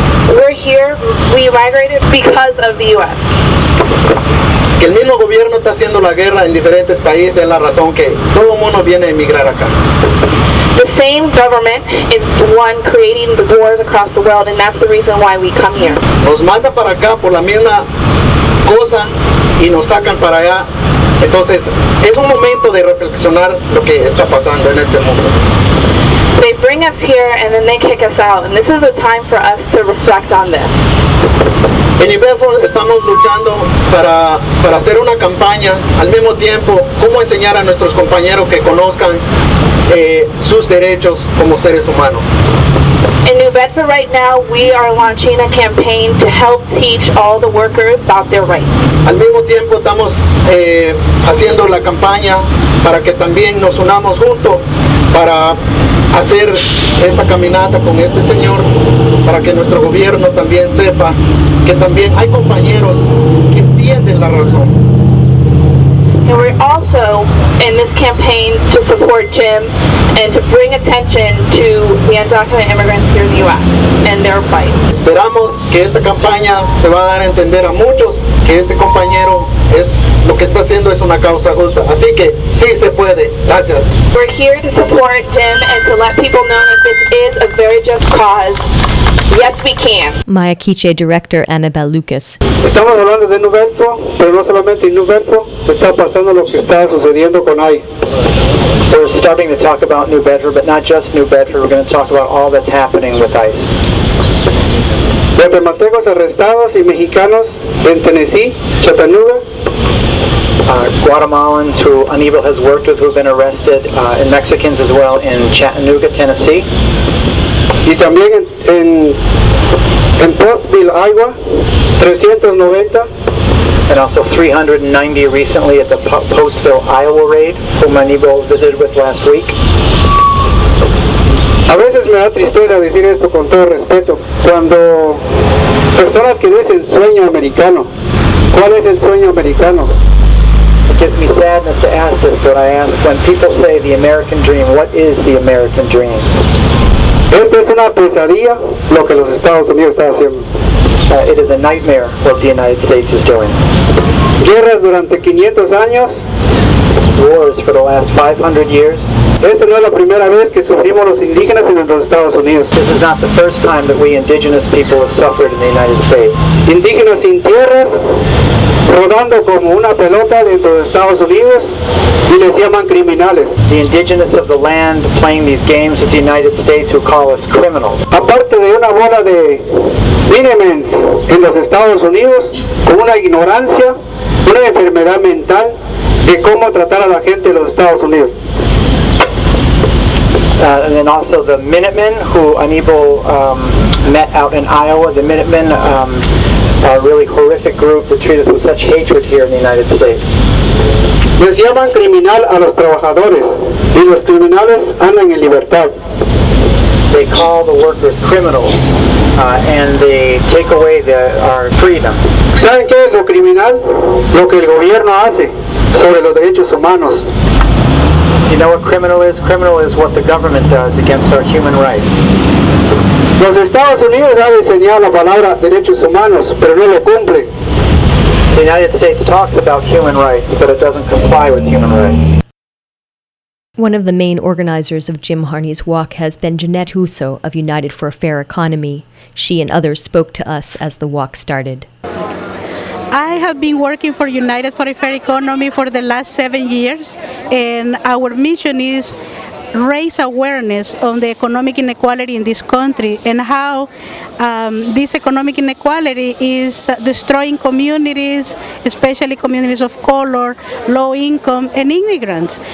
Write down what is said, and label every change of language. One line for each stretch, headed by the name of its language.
English: We're here, we migrated because of the U.S.
Spanish: Que el mismo gobierno está haciendo la guerra en diferentes países es la razón que todo mundo viene a emigrar acá.
English: The same government is the one creating the wars across the world, and that's the reason why we come here.
Spanish: Nos manda para acá por la misma cosa y nos sacan para allá. Entonces, es un momento de reflexionar lo que está pasando en este mundo.
English: They bring us here and then they kick us out, and this is a time for us to reflect on this.
Spanish: En Bedford estamos luchando para hacer una campaña al mismo tiempo, cómo enseñar a nuestros compañeros que conozcan sus derechos como seres humanos.
English: In New Bedford right now, we are launching a campaign to help teach all the workers about their rights.
Spanish: Al mismo tiempo estamos haciendo la campaña para que también nos unamos juntos para hacer esta caminata con este señor, para que nuestro gobierno también sepa que también hay compañeros que entienden la razón.
English: And we're also in this campaign to support Jim and to bring attention to the undocumented immigrants here in the U.S. and their fight.
Spanish: Esperamos que esta campaña se va a dar a entender a muchos que este compañero es lo que está haciendo es una causa justa. Así que sí se puede. Gracias.
English: We're here to support Jim and to let people know that this is a very just cause. Yes, we can. Maya Quiche director Annabelle Lucas.
Spanish: Estamos hablando de New Bedford, pero no solamente en New Bedford. Está pasando lo que está sucediendo con ICE.
English: We're starting to talk about New Bedford, but not just New Bedford. We're going to talk about all that's happening with ICE.
Spanish: Guatemaltecos arrestados y mexicanos en Tennessee, Chattanooga.
English: Guatemalans who Aníbal has worked with who have been arrested, and Mexicans as well in Chattanooga, Tennessee.
Spanish: Y también en Postville, Iowa, 390.
English: And also 390 recently at the Postville, Iowa raid, whom Aníbal visited with last week.
Spanish: A veces me da tristeza decir esto con todo respeto. Cuando personas que dicen sueño americano, ¿cuál es el sueño americano?
English: It gives me sadness to ask this, but I ask, when people say the American dream, what is the American dream?
Spanish: Esto es una pesadilla lo que los Estados Unidos está haciendo.
English: It is a nightmare what the United States is doing.
Spanish: Guerras durante 500 años.
English: Wars for the last 500 years.
Spanish: Esta no es la primera vez que sufrimos los indígenas en los Estados Unidos.
English: This is not the first time that we indigenous people have suffered in the United States.
Spanish: Indígenas sin tierras, rodando como una pelota dentro de Estados Unidos y les llaman criminales.
English: The indigenous of the land playing these games with the United States who call us criminals.
Spanish: Aparte de una bola de minimens en los Estados Unidos con una ignorancia, una enfermedad mental de cómo tratar a la gente de los Estados Unidos.
English: And then also the Minutemen, who Anibal met out in Iowa. The Minutemen are a really horrific group that treat us with such hatred here in the United States.
Spanish: Les llaman criminal a los trabajadores, y los criminales andan en libertad.
English: They call the workers criminals, and they take away our freedom.
Spanish: ¿Saben qué es lo criminal? Lo que el gobierno hace sobre los derechos humanos.
English: You know what criminal is? Criminal is what the government does against our human rights.
Spanish: Los Estados Unidos ha diseñado la palabra derechos humanos, pero no lo cumple.
English: The United States talks about human rights, but it doesn't comply with human rights. One of the main organizers of Jim Harney's walk has been Jeanette Husso of United for a Fair Economy. She and others spoke to us as the walk started. I have been working for United for a Fair Economy for the last 7 years, and our mission is raise awareness on the economic inequality in this country and how this economic inequality is destroying communities, especially communities of color, low income, and immigrants.